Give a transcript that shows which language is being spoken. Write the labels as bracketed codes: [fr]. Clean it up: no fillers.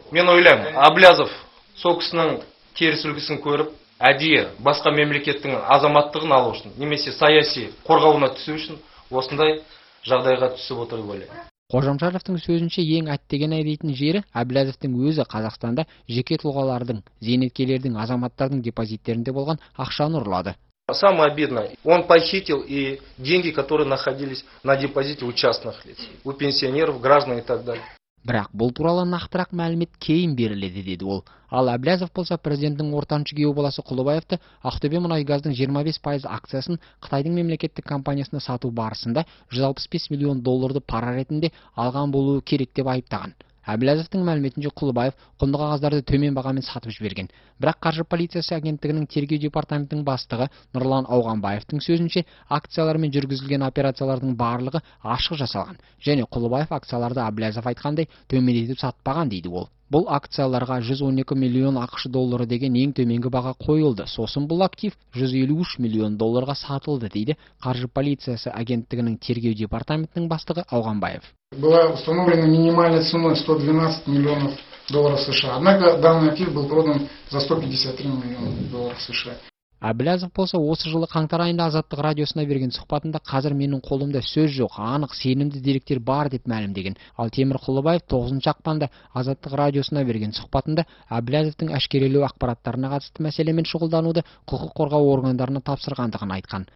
[kk] Мен ойлаймын, Әбіләзов сол кісінің теріс үлгісін көріп, әдейі басқа мемлекеттің азаматтығын алу үшін немесе саяси қорғауына түсу үшін осындай жағдайға түсіп отыр деп ойлаймын. Қожамжаровтың сөзінше, ең әттеген әйдейтін жері Әбіләзовтың өзі Қазақстанда жеке тұлғалардың, зейнеткерлердің, азаматтардың депозиттерінде болған ақшаны ұрлады. [ru] Самое обидное, он похитил и деньги, которые находились на депозите у частных лиц, у пенсионеров, граждан и так далее. [kk] Бірақ бұл туралы нақтырақ мәлімет кейін беріледі, деді ол. Ал Әбіләзов болса, президенттің ортаншы күйеу баласы Құлыбаевты Ақтөбе мұнайгаздың 25% акциясын Қытайдың мемлекеттік компаниясына сату барысында 165 миллион долларды пара ретінде алған болуы керек деп айыптаған. Әбіләзовтың мәліметінше Құлыбаев құнды қағаздарды төмен бағамен сатып жіберген. Бірақ қаржы полициясы агенттігінің тергеу департаментінің бастығы Нұрлан Ауғанбаевтың сөзінше, акциялармен жүргізілген операциялардың барлығы ашық жасалған және Құлыбаев акцияларды Әбіләзов айтқандай төмендетіп сатпаған, дейді ол. Бұл акцияларға 112 миллион ақш доллары деген ең төменгі баға қойылды. Сосын бұл актив 153 миллион долларға сатылды, дейді қаржы полициясы агенттігінің тергеу департаментінің бастығы Ауғанбаев. [ru] Была установлена минимальная цена 112 миллионов долларов США. Однако данный актив был продан за 153 миллиона долларов США. [kk] Әбіләзов болса, осы жылы қаңтар айында Азаттық радиосына берген сұхбатында қазір менің қолымда сөз жоқ, анық сенімді деректер бар деп мәлімдеген. Ал Темір Құлыбаев 9 ақпанда Азаттық радиосына берген сұхбатында Әбіләзовтың әшкерелеу ақпараттарына қатысты мәселемен шұғылдануды құқық қорғау органдарына тапсырғандығын айтқан.